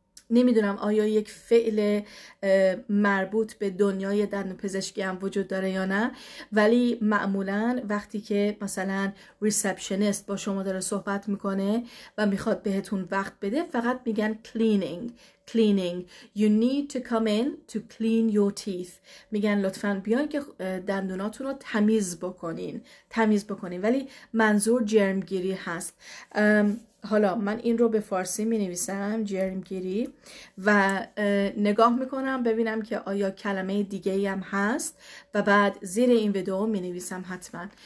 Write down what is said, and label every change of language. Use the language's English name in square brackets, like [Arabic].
[Persian] نمیدونم آیا یک فعل مربوط به دنیای دندانپزشکی هم وجود داره یا نه، ولی معمولا وقتی که مثلا ریسپشنیست با شما داره صحبت میکنه و میخواد بهتون وقت بده، فقط میگن cleaning. [English] You need to come in to clean your teeth. [Persian] میگن لطفاً بیاین که دندوناتون رو تمیز بکنین. ولی منظور جرمگیری هست. حالا من این رو به فارسی می نویسم، جرمگیری، و نگاه میکنم ببینم که آیا کلمه دیگه ای هم هست و بعد زیر این ویدیو می نویسم حتما.